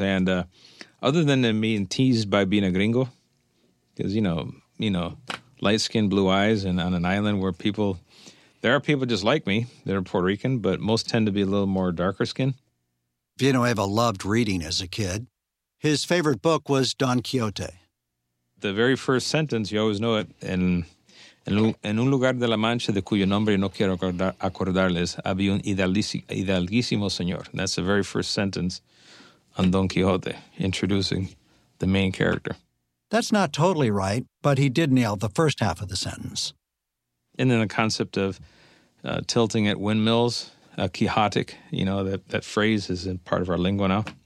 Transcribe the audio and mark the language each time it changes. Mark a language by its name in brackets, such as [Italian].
[English] And other than them being teased by being a gringo, because, you know, light skin, blue eyes, and on an island where there are people just like me that are Puerto Rican, but most tend to be a little more darker skin. Villanueva loved reading as a kid. His favorite book was Don Quixote. The very first sentence, you always know it. [Spanish] En un lugar de la Mancha de cuyo nombre no quiero acordarles, había un hidalguísimo señor. [English] And that's the very first sentence on Don Quixote, introducing the main character. That's not totally right, but he did nail the first half of the sentence. And then the concept of tilting at windmills, a Quixotic, you know, that phrase is in part of our lingua now.